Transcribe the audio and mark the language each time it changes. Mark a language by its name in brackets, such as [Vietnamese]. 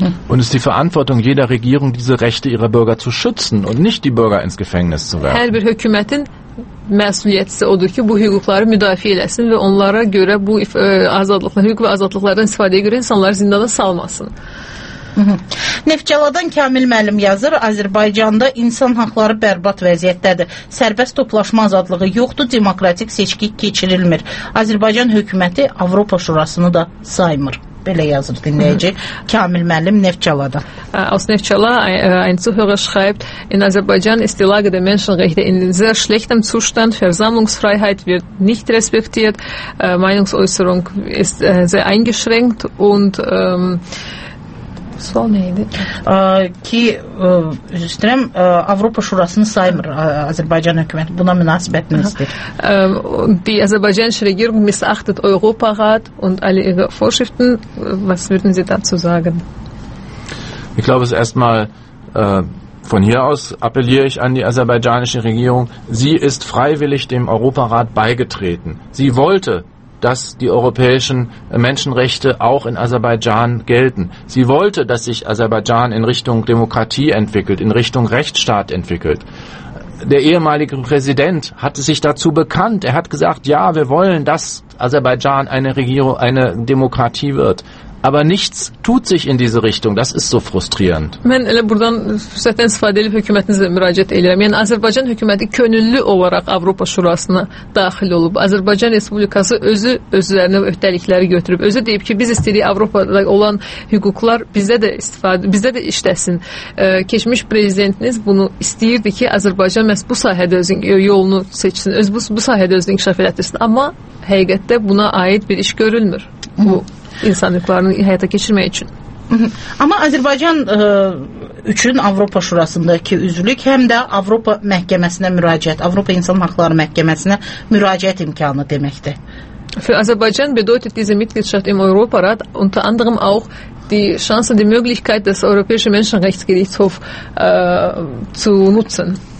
[German] Und ist die Verantwortung jeder Regierung, diese Rechte ihrer Bürger zu schützen und nicht die Bürger ins Gefängnis zu werfen. [Azerbaijani] Hər bir hökumətin məsuliyyəti odur ki, bu hüquqları müdafiə eləsin və onlara görə bu azadlıqlar, hüquq və azadlıqlardan istifadəyə görə insanları zindana salmasın. Neftçaladan Kamil müəllim yazır, Azərbaycanda insan haqları bərbad vəziyyətdədir. Sərbəst toplaşma azadlığı yoxdur, demokratik seçki keçirilmir. Azərbaycan hökuməti Avropa Şurasını da saymır. Belə yazır dinləyici Kamil müəllim Neftçalada. [German] Aus Neftçala ein Zuhörer schreibt, in Aserbaidschan ist die Lage der Menschenrechte in sehr schlechtem Zustand, Versammlungsfreiheit wird nicht respektiert, Meinungsäußerung ist sehr eingeschränkt und [Azerbaijani] Sual neydi? Ki, üzüstürəm, Avropa Şurasını saymır Azərbaycan hökuməti. Buna münasibət nəsidir? [German] Die azərbaycanische Regierung missachtet Europarat und alle ihre Vorschriften. Was würden Sie dazu sagen? Ich glaube, es ist erstmal von hier aus appelliere ich an die aserbaidschanische Regierung. Sie ist freiwillig dem Europarat beigetreten. Sie wollte, dass die europäischen Menschenrechte auch in Aserbaidschan gelten. Sie wollte, dass sich Aserbaidschan in Richtung Demokratie entwickelt, in Richtung Rechtsstaat entwickelt. Der ehemalige Präsident hatte sich dazu bekannt. Er hat gesagt, ja, wir wollen, dass Aserbaidschan eine Regierung, eine Demokratie wird. Aber nichts tut sich in diese Richtung. Das ist so frustrierend. [Azerbaijani] Mən elə buradan fürsətdən istifadə edib hökumətinizə müraciət edirəm. Yəni, Azərbaycan hökuməti könüllü olaraq Avropa Şurasına daxil olub. Azərbaycan Respublikası özü özlərinə öhdəlikləri götürüb. Özü deyib ki, biz istəyirik Avropada olan hüquqlar bizdə də istifadə, bizdə də işləsin. Keçmiş prezidentiniz bunu istəyirdi ki, Azərbaycan məhz bu sahədə özün yolunu seçsin, öz bu sahədə özünü inkişaf elətirsin. Amma həqiqətdə buna aid bir iş görülmür. Bu insanlıqlarını həyata keçirmək üçün. Amma Azərbaycan üçün Avropa Şurasındakı üzvlük həm də Avropa Məhkəməsinə müraciət, Avropa İnsan Haqları Məhkəməsinə müraciət imkanı deməkdir. [German] Für Aserbaidschan bedeutet diese Mitgliedschaft im Europarat unter anderem auch die Chance, die Möglichkeit des Europäischen Menschenrechtsgerichtshofs zu nutzen.